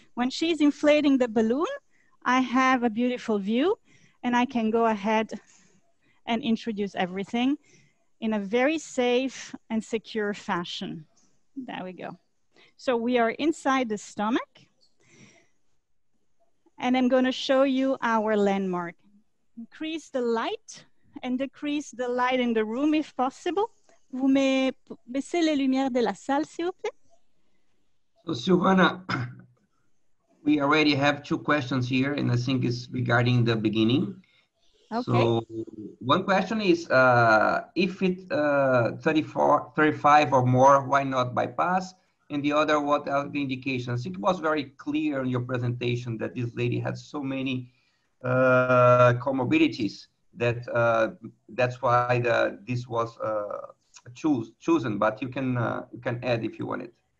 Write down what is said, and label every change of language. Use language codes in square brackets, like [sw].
[en] When she's inflating the balloon, I have a beautiful view, and I can go ahead and introduce everything in a very safe and secure fashion. There we go. So we are inside the stomach, and I'm going to show you our landmark. Increase the light and decrease the light in the room if possible. [fr] Vous baissez les lumières de la salle, s'il vous plaît. [en] So, Silvana, we already have two questions here, and I think it's regarding the beginning. Okay. So, one question is if it's 35 or more, why not bypass? And the other, what are the indications? I think it was very clear in your presentation that this lady had so many comorbidities that that's why this was chosen, but you can add if you want it.